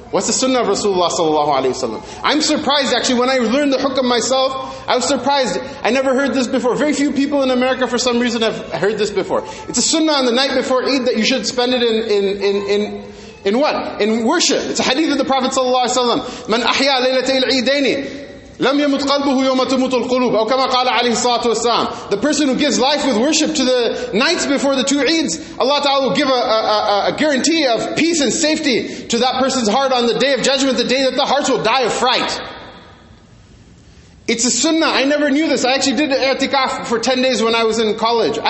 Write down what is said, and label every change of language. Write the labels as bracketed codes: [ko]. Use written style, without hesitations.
[en] What's the sunnah of Rasulullah sallallahu alayhi wa sallam? I'm surprised actually, when I learned the hukam myself, I was surprised. I never heard this before. Very few people in America for some reason have heard this before. It's a sunnah on the night before Eid that you should spend it in what? In worship. It's a hadith of the Prophet sallallahu alayhi wa sallam. [ar] Man ahya laylatay al-eidaini. لَمْ يَمُتْ قَلْبُهُ يَوْمَ تُمُتُ الْقُلُوبِ أو كما قال عليه الصلاة والسلام. [en] The person who gives life with worship to the nights before the two Eids, Allah Ta'ala will give a guarantee of peace and safety to that person's heart on the day of judgment, the day that the hearts will die of fright. It's a sunnah. I never knew this. I actually did i'tikaf for 10 days when I was in college.